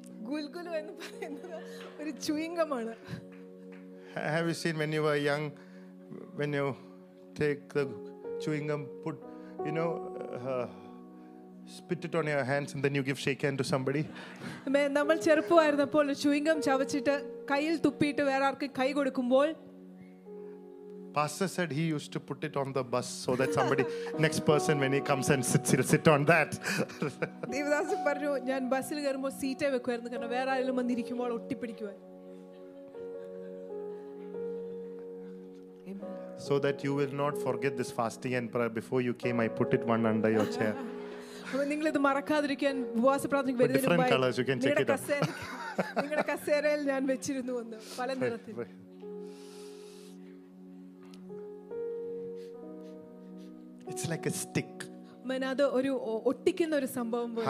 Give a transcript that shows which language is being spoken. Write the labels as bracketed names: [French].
[Malayalam] ഗുൽഗുലു എന്ന് പറയുന്നത് ഒരു chewing gum ആണ്. [English] Have you seen when you were young, when you take the chewing gum, put, you know, spit it on your hands and then you give shake hand to somebody? [Malayalam] നമ്മൾ ചെറുപ്പമായിരുന്നപ്പോൾ chewing gum ചവച്ചിട്ട് കയ്യിൽ തുപ്പിയിട്ട് വേറെ ആർക്കും കൈ കൊടുക്കുമ്പോൾ, [English] pastor said he used to put it on the bus so that somebody next person when he comes and sits, he'll sit on that. [Malayalam] Devdas പറഞ്ഞു ഞാൻ ബസ്സിൽ കയറുമ്പോൾ സീറ്റേ വെക്കുമായിരുന്നു, കാരണം വേറെ ആരെങ്കിലും വന്നിരിക്കുമ്പോൾ ഒട്ടിപ്പിടിക്കുവാൻ. [English] So that you will not forget this fasting and prayer, before you came I put it one under your chair. [Malayalam] അപ്പോൾ നിങ്ങൾ ഇത് മറക്കാതിരിക്കാൻ ഉപവാസ പ്രാർത്ഥന വരുന്നതിന് മുമ്പ് നിങ്ങളുടെ കസേര, നിങ്ങളുടെ കസേരയിൽ ഞാൻ വെച്ചിരുന്നു എന്ന് പല നിറത്തിൽ. [English] It's like a stick. [Malayalam] മനാദ ഒരു ഒട്ടിക്കുന്ന ഒരു സംഭവം പോലെ.